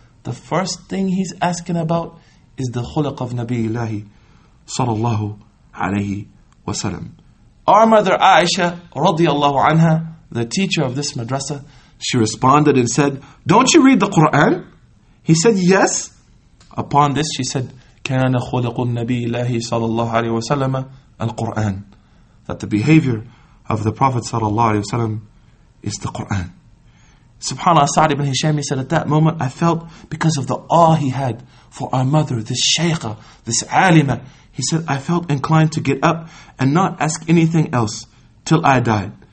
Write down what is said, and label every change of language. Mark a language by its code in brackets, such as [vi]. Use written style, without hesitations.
[en] The first thing he's asking about is the khuliq of Nabiullahi sallallahu alaihi wasallam. Our mother Aisha radiallahu anha, the teacher of this madrasa, she responded and said, don't you read the Quran? He said, yes. Upon this, she said, [ar] كان خلق النبي الله صلى الله عليه وسلم القرآن. [en] That the behavior of the Prophet صلى الله عليه وسلم is the Quran. SubhanAllah, Sa'd ibn Hisham, he said, at that moment, I felt, because of the awe he had for our mother, this shaykha, this alima, he said, I felt inclined to get up and not ask anything else till I died.